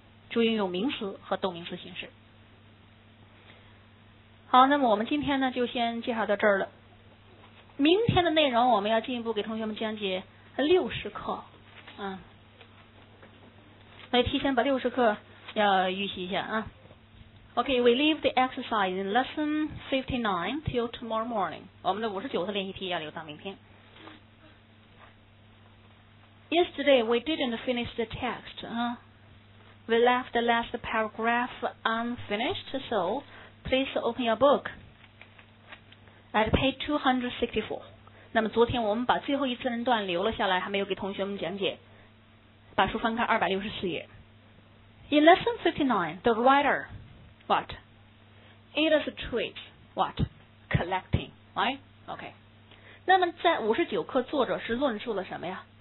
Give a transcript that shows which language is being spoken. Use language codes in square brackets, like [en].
[zh] 注意用名词和动名词形式。好，那么我们今天呢就先介绍到这儿了。明天的内容我们要进一步给同学们讲解60课，嗯，所以提前把60课要预习一下啊。 [en] Okay, we leave the exercise in lesson 59 till tomorrow morning. [zh] 我们的59次练习题要留到明天。 [en] Yesterday, we didn't finish the text, We left the last paragraph unfinished, so please open your book at page 264. [zh] 那么昨天我们把最后一段段留了下来，还没有给同学们讲解。把书翻开264页。 [en] In lesson 59, the writer, what? It is a tweet, what? Collecting, right? Okay. [zh] 那么在59课作者是论述了什么呀？